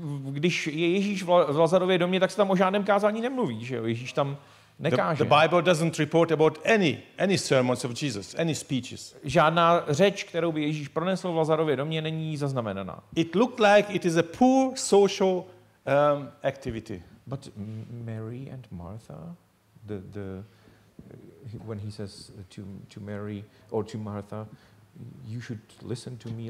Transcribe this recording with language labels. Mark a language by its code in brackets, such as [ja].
[cs] Když je Ježíš v Lazarově domě, tak se tam o žádném kázání nemluví, že jo? Ježíš tam nekáže. [en] The Bible doesn't report about any sermons of Jesus, any speeches. [cs] Žádná řeč, kterou by Ježíš pronesl v Lazarově domě, není zaznamenaná. [en] It looked like it is a poor social activity. But Mary and Martha, the when he says to Mary or to Martha, you should listen to me.